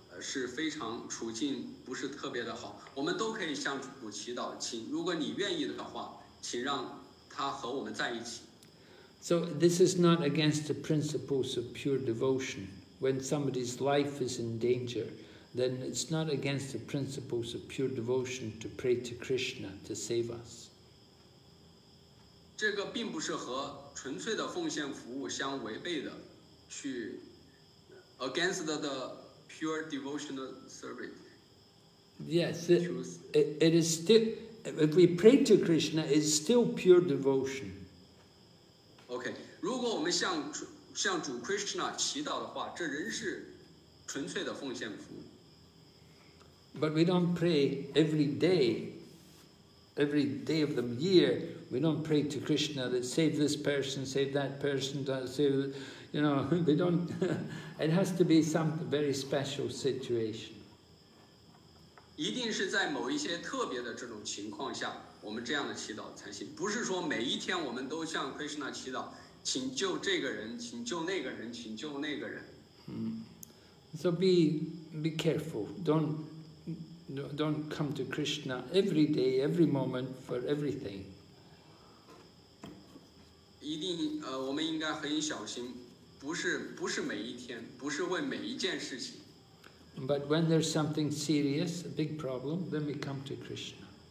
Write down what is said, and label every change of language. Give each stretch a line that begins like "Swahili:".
Chinese: 是非常处境不是特别的好，我们都可以向主祈祷，请如果你愿意的话，请让他和我们在一起。
English: So this is not against the principles of pure devotion. When somebody's life is in danger, then it's not against the principles of pure devotion to pray to Krishna to save us.
Chinese: 这个并不是和纯粹的奉献服务相违背的，去
English: against the pure devotional service. Yes, it is still, if we pray to Krishna, it's still pure devotion.
Chinese: Okay, 如果我们向主 Krishna 祈祷的话，这仍是纯粹的奉献服务。
English: But we don't pray every day of the year, we don't pray to Krishna that save this person, save that person, save, you know, we don't, it has to be some very special situation.
Chinese: 一定是在某一些特别的这种情况下，我们这样的祈祷才行。不是说每一天我们都向 Krishna 祈祷，请救这个人，请救那个人，请救那个人。
English: So be careful, don't come to Krishna every day, every moment, for everything.
Chinese: 一定我们应该很小心，不是每一天，不是为每一件事情。
English: But when there's something serious, a big problem, then we come to Krishna.